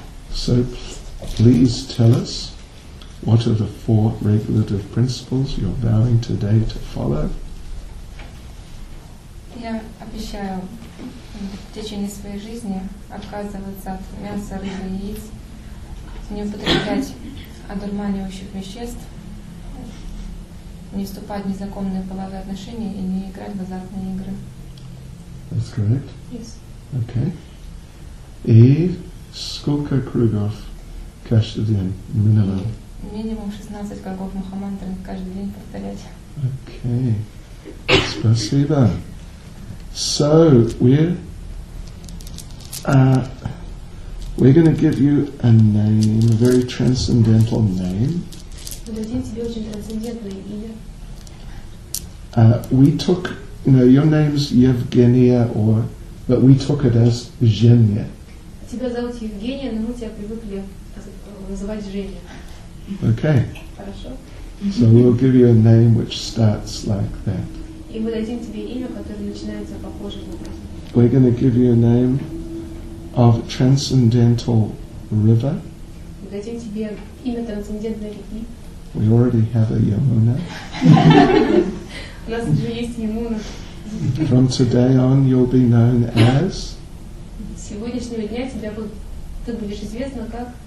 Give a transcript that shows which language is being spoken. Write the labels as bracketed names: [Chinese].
[English] So please tell us, what are the four regulative principles you're vowing today to follow? [Russian] Я обещаю в течение своей жизни отказываться от мяса, рыбы, яиц, не употреблять одурманивающих веществ, не вступать в незаконные половые отношения и не играть в азартные игры. [English] That's correct? Yes. Okay. [Russian] И сколько кругов каждый день минимум? Минимум 16 кругов мухамантры каждый день повторять. [English] Okay. [Russian] Спасибо. [English] So we're going to give you a name, a very transcendental name. [Russian] Мы дадим тебе очень трансцендентное имя. [English] We took, you know, your name's Евгения, or but we took it as Женя. [Russian] Тебя зовут Евгения, но мы тебя привыкли называть Женя. [English] Okay. [Russian] Хорошо. [English] So we'll give you a name which starts like that. [Russian] И мы дадим тебе имя, которое начинается похожим образом. [English] We're going to give you a name of transcendental river. [Russian] Мы дадим тебе имя трансцендентной реки. [English] We already have a Yamuna. [Russian] У нас уже есть Yamuna. [English] From today on, you'll be known as. [Russian] Сегодняшнего дня тебя ты будешь известна как